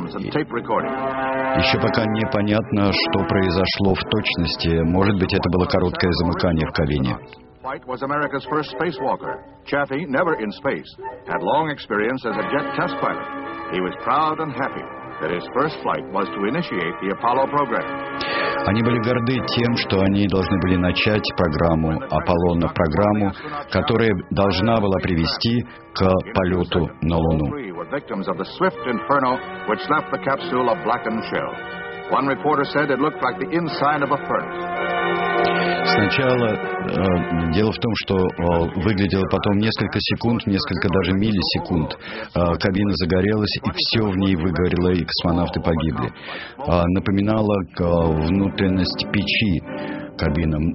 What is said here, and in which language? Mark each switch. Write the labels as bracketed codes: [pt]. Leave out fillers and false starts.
[ru] Еще пока непонятно, что произошло в точности. Может быть, это было короткое замыкание в кабине. [en] White was America's first spacewalker. Chaffee, never in space, had long experience as a jet test pilot. He was proud and happy that his first flight was to initiate the Apollo program. [ru] Они были горды тем, что они должны были начать программу Аполлона, программу, которая должна была привести к полету на Луну. [en] Victims of the swift inferno which left the capsule a blackened shell. One reporter said it looked like the inside of a furnace. [ru] Сначала, дело в том, что выглядело потом несколько секунд, несколько даже миллисекунд, кабина загорелась, и все в ней выгорело, и космонавты погибли. Напоминала внутренность печи кабина.